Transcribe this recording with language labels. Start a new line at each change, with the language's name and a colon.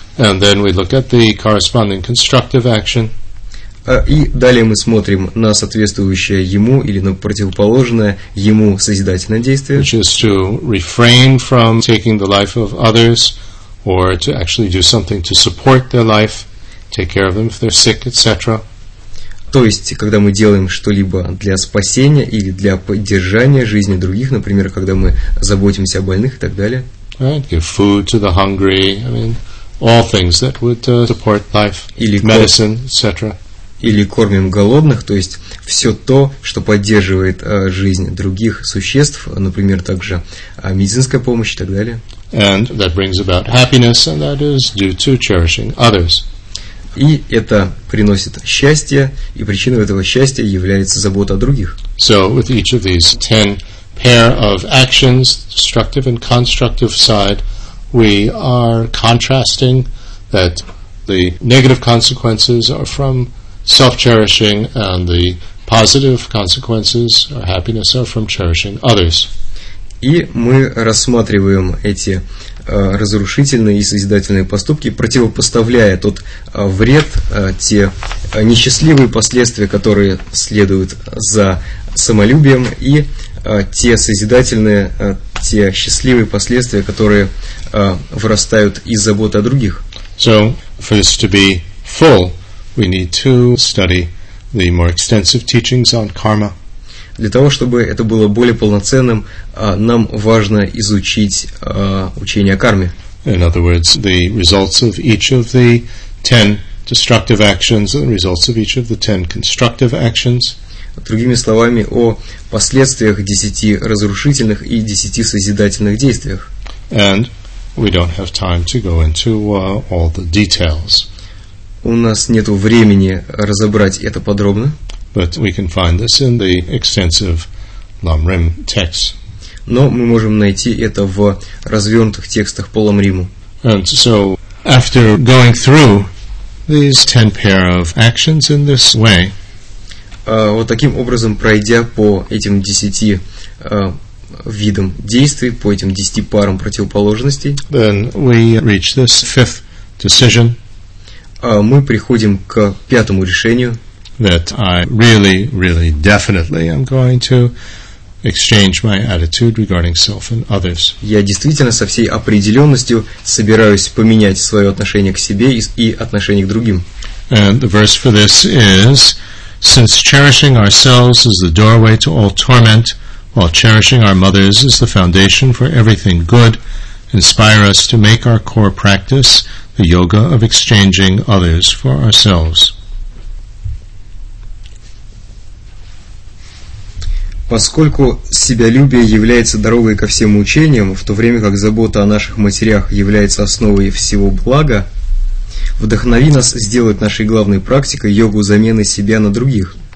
English: And then we look at the corresponding constructive action.
Russian: И далее мы смотрим на соответствующее ему или на противоположное ему созидательное действие.
English: Which is to refrain from taking the life of others, or to actually do something to support their life, take care of them if they're sick, etc.
Russian: То есть, когда мы делаем что-либо для спасения или для поддержания жизни других, например, когда мы заботимся о больных и так далее.
English: Right, give food to the hungry. I mean, all things that would support life.
Russian: Или
English: medicine, etc.
Russian: Или кормим голодных, то есть все то, что поддерживает жизнь других существ, например, также медицинская помощь и так далее.
English: And that brings about happiness, and that is due to cherishing others.
Russian: И это приносит счастье, и причиной этого счастья является забота о других.
English: So, with each of these 10 pair of actions, destructive and constructive side, we are contrasting that the negative consequences are from self-cherishing, and the positive consequences or happiness are from cherishing others.
Russian: И мы рассматриваем эти разрушительные и созидательные поступки, противопоставляя тот вред, те несчастливые последствия, которые следуют за самолюбием, и те созидательные, те счастливые последствия, которые вырастают из заботы о других.
English: So, for this to be full, we need to study the more extensive teachings on karma.
Russian: Для того, чтобы это было более полноценным, нам важно изучить учение о карме.
English: In other words, the results of each of the 10 destructive actions and the results of each of the 10 constructive actions.
Russian: Другими словами, о последствиях 10 разрушительных и 10 созидательных действиях.
English: And we don't have time to go into all the details.
Russian: У нас нет времени разобрать это подробно.
English: But we can find this in the extensive Ламрим texts.
Russian: Но мы можем найти это в развернутых текстах по Ламриму.
English: And so, after going through these 10 pair of actions in this way,
Russian: вот таким образом, пройдя по этим 10 видам действий, по этим 10 парам противоположностей,
English: then we reach this fifth decision.
Russian: Мы приходим к пятому решению.
English: That I really, really, definitely am going to exchange my attitude regarding self and others.
Russian: Я действительно со всей определенностью собираюсь поменять свое отношение к себе и отношение к другим.
English: And the verse for this is, since cherishing ourselves is the doorway to all torment, while cherishing our mothers is the foundation for everything good, inspire us to make our core practice the yoga of exchanging others for ourselves.
Russian: Поскольку себялюбие является дорогой ко всем мучениям, в то время как забота о наших матерях является основой всего блага, вдохнови нас сделать нашей главной практикой йогу замены себя на других.